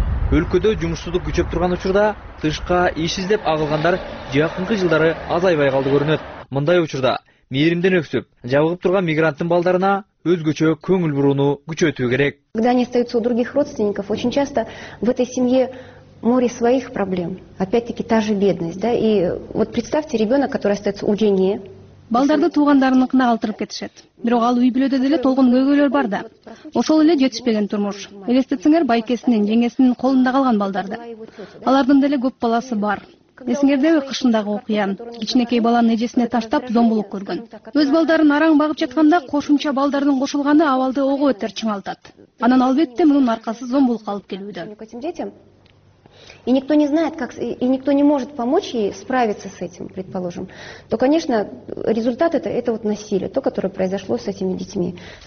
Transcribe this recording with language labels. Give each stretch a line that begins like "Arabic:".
Kyrgyz: Өлкөдө жумушсуздук күчөп турган учурда тышка иш издеп агылгандар жакынкы жылдары азайбай калды көрүнөт. Мындай учурда мээримден өксүп жабыгып турган мигранттын балдарына өзгөчө көңүл бурууну күчөтүү керек.
Russian: Когда они остаются у других родственников, очень часто в этой семье море своих проблем. Опять-таки та же бедность, да? И вот представьте ребенок, который остается у жене.
Kyrgyz: Балдарды туугандарыныкына калтырып кетишет. Бирок ал үй бүлөдө деле толгон көйгөйлөр бар да. Ошол эле жетишпеген турмуш. Элестетсеңер байкесинин, жеңесинин колунда калган балдарды. Алардын деле көп баласы бар. Эсиңердеби кышындагы окуя? Кичинекей баланын эжесине таштап зомбулук көргөн. Өз балдарын араң багып жатканда кошумча балдардын кошулганы абалды ого бетер чыңалтат. Анан албетте мунун аркасы зомбулукка алып келүүдө.
Russian: И никто не знает, как, и никто не может помочь ей справиться с этим, предположим. То, конечно, результат это вот насилие, то, которое произошло с этими детьми.